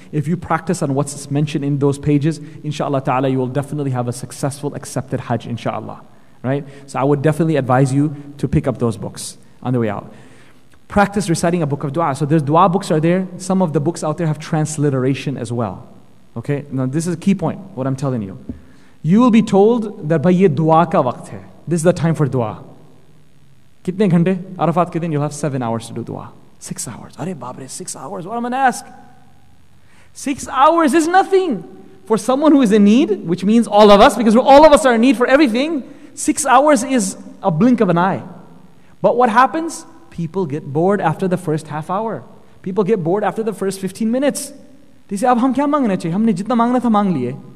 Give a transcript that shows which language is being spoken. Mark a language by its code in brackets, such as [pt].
[en] If you practice on what's mentioned in those pages, inshallah ta'ala, you will definitely have a successful, accepted Hajj, inshallah. Right? So I would definitely advise you to pick up those books on the way out. Practice reciting a book of dua. So there's dua books are there. Some of the books out there have transliteration as well. Okay? Now this is a key point, what I'm telling you. You will be told that [ur] بھائی یہ دعا کا وقت ہے. [en] This is the time for dua. [ur] کتنے گھنٹے؟ Arafat ke din, [en] you'll have 7 hours to do dua. 6 hours. Are babre, 6 hours? What am I going to ask? 6 hours is nothing. For someone who is in need, which means all of us, because all of us are in need for everything, 6 hours is a blink of an eye. But what happens? People get bored after the first half hour. People get bored after the first 15 minutes. They say, [ur] اب ہم کیا مانگنا چاہیے؟ ہمنے جتنا مانگنا تھا مانگ لیے.